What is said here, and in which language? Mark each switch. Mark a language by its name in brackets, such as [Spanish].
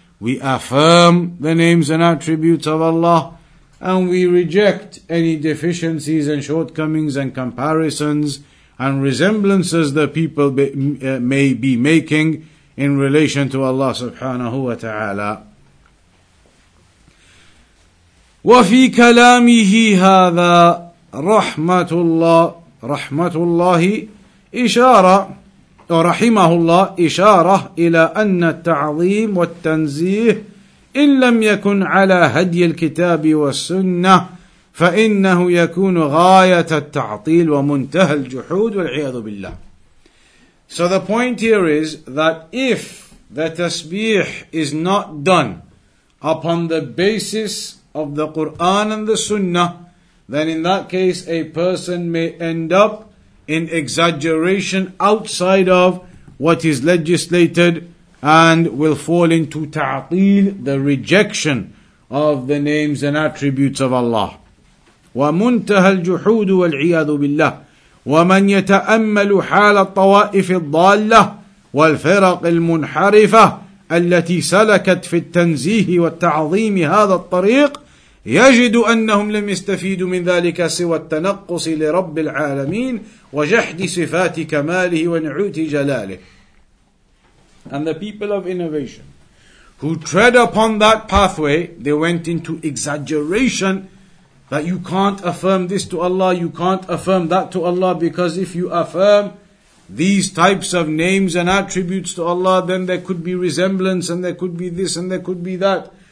[English] We affirm the names and attributes of Allah, and we reject any deficiencies and shortcomings and comparisons and resemblances that people may be making in relation to Allah subhanahu wa ta'ala. [Arabic] وفي كلامه هذا رحمة الله رحمة الله إشارة رحمه الله إشارة إلى أن التعظيم والتنزيه إن لم يكن على هدي الكتاب والسنة فإنه يكون غاية التعطيل ومنتهى الجحود والعياذ بالله. [English] So the point here is that if the tasbih is not done upon the basis of the Qur'an and the Sunnah, then in that case a person may end up in exaggeration outside of what is legislated and will fall into ta'atil, the rejection of the names and attributes of Allah. [Arabic] وَمُنْتَهَى الْجُحُودُ وَالْعِيَاذُ بِاللَّهِ وَمَنْ يَتَأَمَّلُ حَالَ الطَّوَائِفِ الضَّالَّةِ وَالْفِرَقِ الْمُنْحَرِفَةِ التي سلكت في التنزيه والتعظيم هذا الطريق يجد أنهم لم يستفيدوا من ذلك سوى التنقص لرب العالمين وجحد صفات كماله ونعوت جلاله. [English] And the people of innovation who tread upon that pathway, they went into exaggeration that you can't affirm this to Allah, you can't affirm that to Allah, because if you affirm these types of names and attributes to Allah, then there could be resemblance, and there could be this, and there could be that.